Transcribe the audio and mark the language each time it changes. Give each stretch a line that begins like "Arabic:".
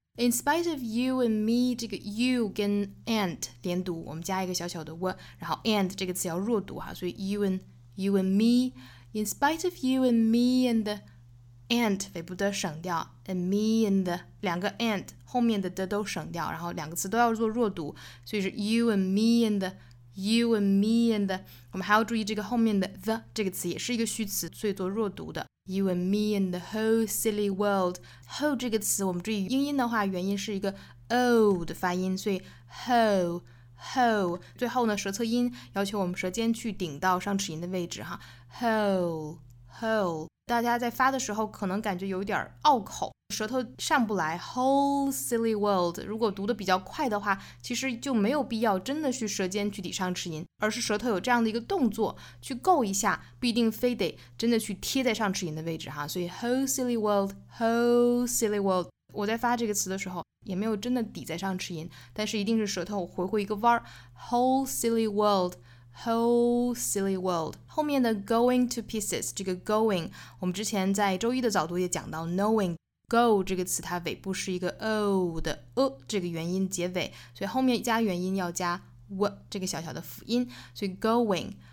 English: spite of you and me,
Chinese: 这个 you 跟 and 连读，我们加一个小小的 w, 然后 and 这个词要弱读哈，所以
English: you and me, in spite of you and me and the
Chinese: and 尾部的省掉，
English: and me and the
Chinese: 两个 and 后面的都省掉，然后两个词都要做弱读，所以是
English: you and me and the,
Chinese: 我们还要注意这个后面的 the 这个词也是一个虚词，所以做弱读的。
English: You and me and the whole silly world.
Chinese: Whole 这个词，我们注意英音的话，元音是一个 o 的发音，所以 whole 最后呢，舌侧音要求我们舌尖去顶到上齿龈的位置哈。 Whole, 大家在发的时候可能感觉有点拗口，舌头上不来。
English: Whole silly world.
Chinese: 如果读得比较快的话，其实就没有必要真的去舌尖去抵上齿龈，而是舌头有这样的一个动作去够一下，不一定非得真的去贴在上齿龈的位置哈。
English: 所以 whole silly world.
Chinese: 我在发这个词的时候也没有真的抵在上齿龈，但是一定是舌头回回一个弯。
English: Whole silly world.
Chinese: 后面的
English: going to pieces,
Chinese: 这个 going, 我们之前在周一的早读也讲到 knowing。 Go 这个词它尾部是一个 O 的 O 这个元音结尾，所以后面加元音要加 W 这个小小的辅音，所以 going,